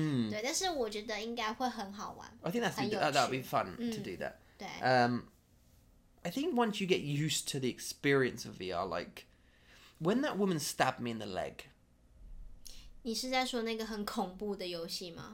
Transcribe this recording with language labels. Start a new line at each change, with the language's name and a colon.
Chinese: 对，但是我觉得应该会很好玩。
English: I think that would be fun to do that.
Chinese: 对。
English: I think once you get used to the experience of VR, like, when that woman stabbed me in the leg.
Chinese: 你是在说那个很恐怖的游戏吗？